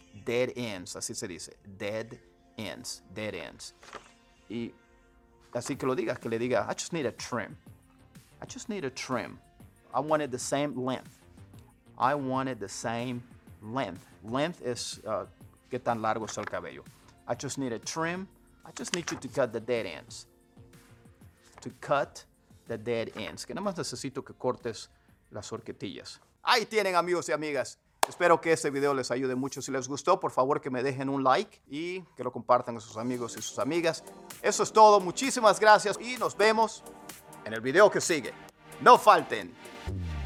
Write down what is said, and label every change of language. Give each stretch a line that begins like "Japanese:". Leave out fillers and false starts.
English: Dead ends,
Spanish: así se dice.
English: Dead ends, dead ends.
Spanish: Y así que lo diga, que le diga,
English: I just need a trim. I just need a trim. I wanted the same length. I wanted the same length. Length is
Spanish: qué tan largo es el cabello.
English: I just need a trim. I just need you to cut the dead ends. To cut the dead ends.
Spanish: Que nada más necesito que cortes las horquetillas. Ahí tienen, amigos y amigas. Espero que este video les ayude mucho. Si les gustó, por favor, que me dejen un like y que lo compartan a sus amigos y sus amigas. Eso es todo. Muchísimas gracias y nos vemos en el video que sigue. ¡No falten!